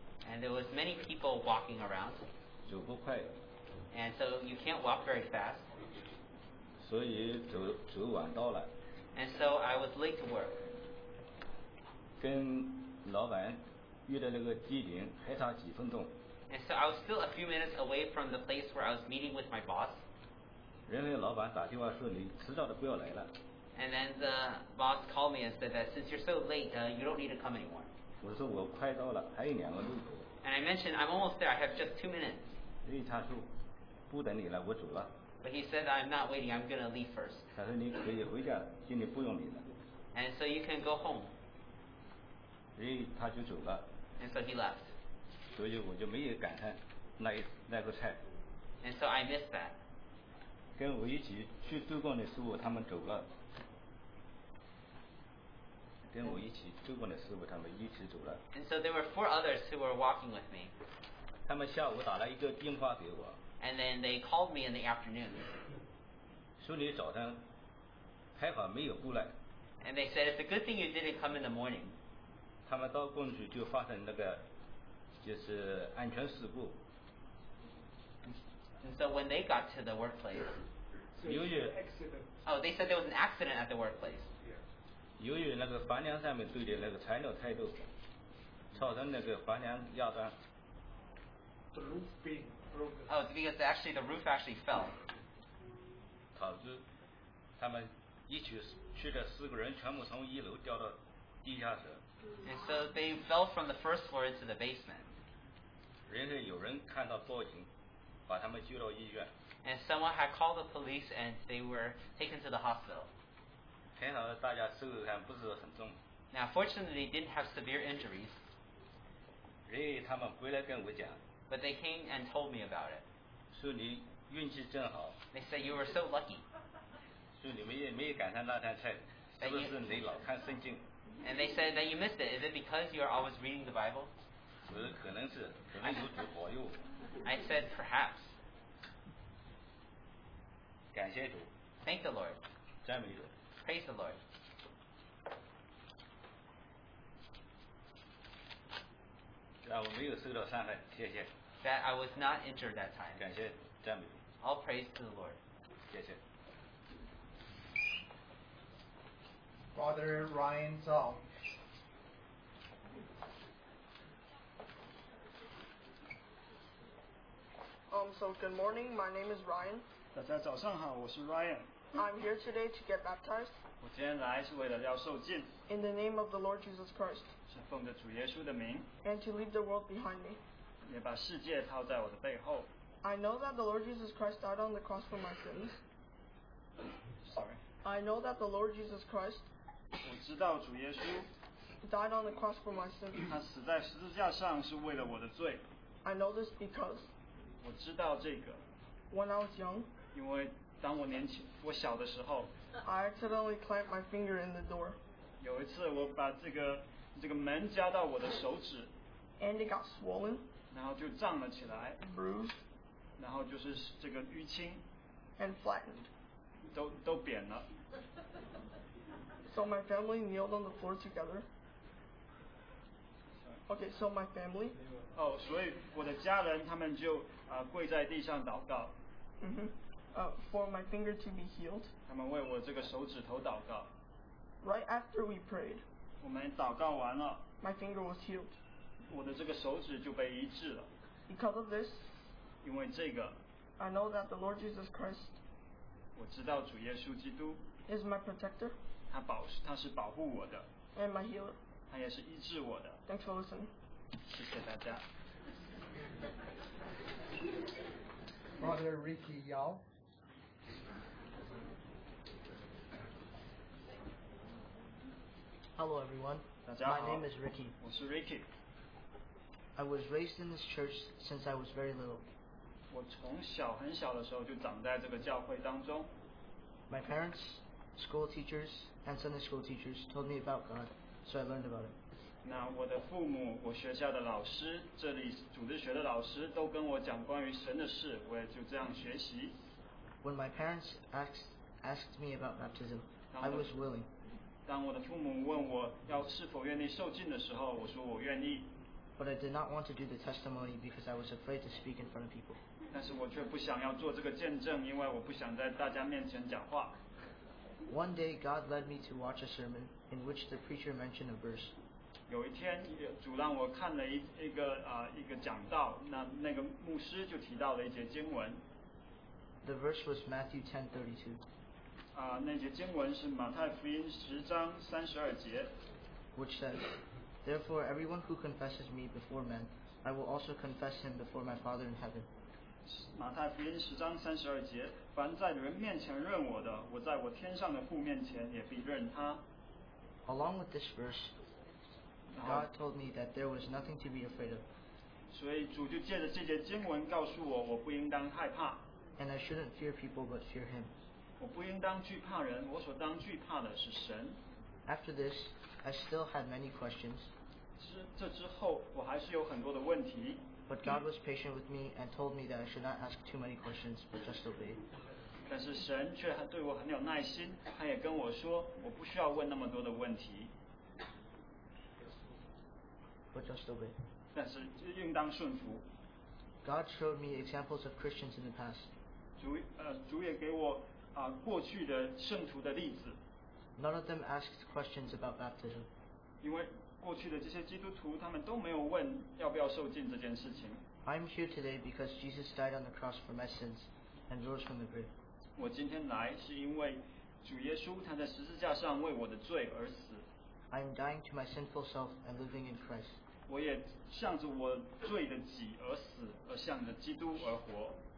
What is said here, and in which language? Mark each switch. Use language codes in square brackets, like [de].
[en] And there was many people walking around. [zh] 走不快。 [en] And so you can't walk very fast. [zh] 所以走晚到了。 [en] And so I was late to work. [zh] 跟老板约的那个地点还差几分钟。 [en] And so I was still a few minutes away from the place where I was meeting with my boss. [zh] 人家老板打电话说你迟到的不要来了。 [en] And then the boss called me and said that since you're so late, you don't need to come anymore. [zh] 我说我快到了，还有两个路口。 [en] And I mentioned I'm almost there, I have just 2 minutes. [zh] 因为他说不等你了，我走了。 [en] But he said I'm not waiting, I'm gonna leave first. [zh] 他说你可以回家，今天不用你了。 [en] And so you can go home. [zh] 因为他就走了。 [en] And so he left. [zh] 所以我就没有赶上那个菜。 [en] And so I missed that. [zh] 跟我一起去度过的师傅他们走了。跟我一起走过的师傅他们一起走了。 [en] And so there were 4 others who were walking with me. [zh] 他们下午打了一个电话给我。 [en] And then they called me in the afternoon. [zh] 说你早上还好没有过来。 [en] And they said it's a good thing you didn't come in the morning. [zh] 他们到过去就发生那个就是安全事故。 [en] And so when they got to the workplace. So they said there was an accident at the workplace. [zh] 由于那个房梁上面堆的那个材料太多，造成那个房梁压断。 [en] The roof being broken. Oh, because actually the roof actually fell. [zh] 草枝，他们一起去的四个人全部从一楼掉到地下室。 [en] And so they fell from the first floor into the basement. [zh] 人家有人看到报警，把他们救到医院。 [en] And someone had called the police and they were taken to the hospital. [zh] 幸好大家受伤不是很重。 [en] Now fortunately they didn't have severe injuries. [zh] 人家他们回来跟我讲。 [en] But they came and told me about it. [zh] 说你运气正好。 [en] They said you were so lucky. [zh] 说你没有赶上那摊菜，是不是你老看圣经？ [en] And they said that you missed it. Is it because you are always reading the Bible? [zh] 可能有主保佑。 [en] I said perhaps. [zh] 感谢主。 [en] Thank the Lord. [zh] 赞美主。 [en] Praise the Lord. [zh] 啊，我没有受到伤害，谢谢。 [en] That I was not injured that time. [zh] 感谢赞美。 [en] All praise to the Lord. [zh] 谢谢。 [en] Brother Ryan Song. So good morning. My name is Ryan. [zh] 大家早上好，我是 Ryan. [en] I'm here today to get baptized. [zh] 我今天来是为了要受浸。 [en] In the name of the Lord Jesus Christ. [zh] 是奉着主耶稣的名。 [en] And to leave the world behind me. [zh] 也把世界抛在我的背后。 [en] I know that the Lord Jesus Christ died on the cross for my sins. Sorry. I know that the Lord Jesus Christ. [zh] 我知道主耶稣。 [en] Died on the cross for my sins. [zh] 他死在十字架上是为了我的罪。 [en] I know this because. [zh] 我知道这个。 [en] When I was young. [zh] 因为当我年轻，我小的时候。 [en] I accidentally clamped my finger in the door. [zh] 有一次我把这个门夹到我的手指。 [en] And it got swollen. [zh] 然后就胀了起来。 [en] Bruised. [zh] 然后就是这个淤青。 [en] And flattened. [zh] 都扁了。 [en] So my family kneeled on the floor together. Okay, so my family. [zh] Oh, 所以我的家人他们就跪在地上祷告。 [en] Mm-hmm. For my finger to be healed. [zh] 他们为我这个手指头祷告。 [en] Right after we prayed. [zh] 我们祷告完了。 [en] My finger was healed. [zh] 我的这个手指就被医治了。 [en] Because of this. [zh] 因为这个。 [en] I know that the Lord Jesus Christ. [zh] 我知道主耶稣基督。 [en] Is my protector. [zh] 他是保护我的。 [en] And my healer. [zh] 他也是医治我的。 [en] Thanks for listening. [zh] 谢谢大家。 [en] Brother Ricky Yao. Hello everyone. [zh] 大家好。 [en] My name is Ricky. [zh] 我是 Ricky. [en] I was raised in this church since I was very little. [zh] 我从小很小的时候就长在这个教会当中。 [en] My parents. School teachers and Sunday school teachers told me about God, so I learned about it. [zh] 那我的父母，我学校的老师，这里主日学的老师都跟我讲关于神的事，我也就这样学习。 [en] When my parents asked me about baptism, I was willing. [zh] 当我的父母问我要是否愿意受浸的时候，我说我愿意。 [en] But I did not want to do the testimony because I was afraid to speak in front of people. [zh] 但是我却不想要做这个见证，因为我不想在大家面前讲话。 [en] One day, God led me to watch a sermon in which the preacher mentioned a verse. [zh] 有一天，主让我看了一个讲道，那个牧师就提到了一节经文。 [en] The verse was Matthew 10:32. [zh] 那节经文是马太福音十章三十二节。 [en] Which says, "Therefore, everyone who confesses me before men, I will also confess him before my Father in heaven." [zh] 马太福音十章三十二节。凡在人面前认我的，我在我天上的父面前也必认他。 [en] Along with this verse, God told me that there was nothing to be afraid of. [zh] 所以主就借着这节经文告诉我，我不应当害怕。 [en] And I shouldn't fear people, but fear Him. [zh] 我不应当惧怕人，我所当惧怕的是神。 [en] After this, I still had many questions. [zh] 这之后，我还是有很多的问题。 [en] But God was patient with me and told me that I should not ask too many questions, but just obey. [zh] 但是神却对我很有耐心，他也跟我说，我不需要问那么多的问题。 [en] But just obey. [zh] 但是应当顺服。 [en] God showed me examples of Christians in the past. [zh] 主也给我过去的圣徒的例子。 [en] None of them asked questions about baptism. [zh] 因为过去的这些基督徒，他们都没有问要不要受浸这件事情。 [en] I'm here today because Jesus died on the cross for my sins and rose from the grave. [zh] 我今天来是因为主耶稣他在十字架上为我的罪而死。 [en] I'm dying to my sinful self and living in Christ. [zh] 我也向着我罪的己而死，而向着基督而活。